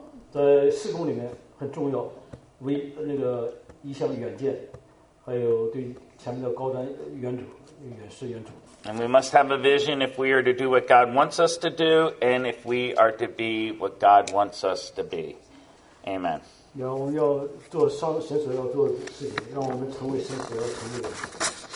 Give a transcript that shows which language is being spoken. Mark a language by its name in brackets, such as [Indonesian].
[Chinese] 在事工里面很重要，为那个一项远见，还有对前面的高瞻远瞩。 [English] And we must have a vision if we are to do what God wants us to do and if we are to be what God wants us to be. Amen. [Chinese] Yeah, 我们要做神所要做的事情，让我们成为神所要成为的。